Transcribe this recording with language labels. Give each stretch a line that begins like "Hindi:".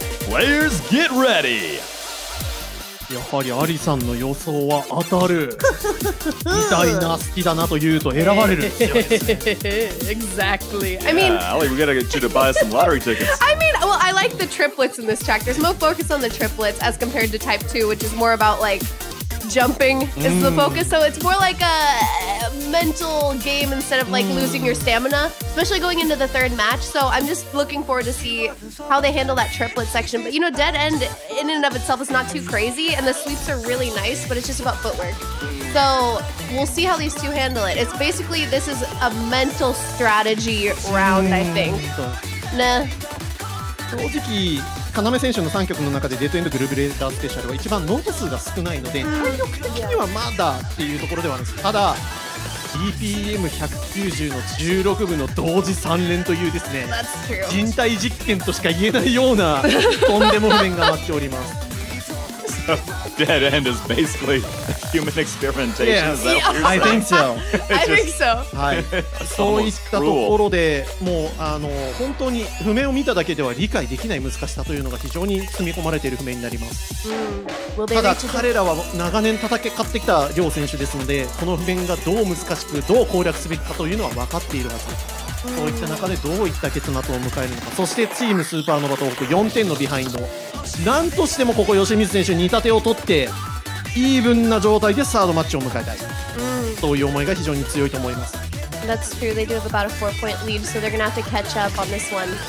English: Players get ready!
Japanese: やはりアリさんの予想は当たる。みたいな、好きだなと言うと選ばれる。
English: Exactly! Yeah, I mean, I think we gotta get you to buy some lottery tickets. I mean,I like the triplets in this track. There's more focus on the triplets as compared to Type 2, which is more about like jumping is the focus. So it's more like a mental game instead of like losing your stamina, especially going into the third match. So I'm just looking forward to see how they handle that triplet section. But you know, Dead End in and of itself is not too crazy and the sweeps are really nice, but it's just about footwork. So we'll see how these two handle it. It's basically, this is a mental strategy round, I think. Nah.
Japanese: 正直、金目選手の3曲の中でデッドエンドグルーヴレータースペシャルは一番ノート数が少ないので、体力的にはまだっていうところではあるんですけど、ただ、BPM190 の16分の同時3連というですね、人体実験としか言えないような、とんでも不便が待っております。
English: So, Dead End is basically human experimentation. Yeah, is that what you're saying? I think so. I think so.
Japanese: はい。そういったところで、もう本当に譜面を見ただけでは理解できない難しさというのが非常に積み込まれている譜面になります。ただ彼らは長年戦ってきた両選手ですので、この譜面がどう難しくどう攻略すべきかというのは分かっているはず。そういった中でどういった結末を迎えるのか、そしてチームスーパーノヴァ東北4点のビハインド、なんとしてもここ吉水選手に2立てを取ってイーブンな状態でサードマッチを迎えたい、そういう思いが非常に強いと思います。
English: That's true, they do have about a 4 point lead, so they're gonna have to catch up on this one.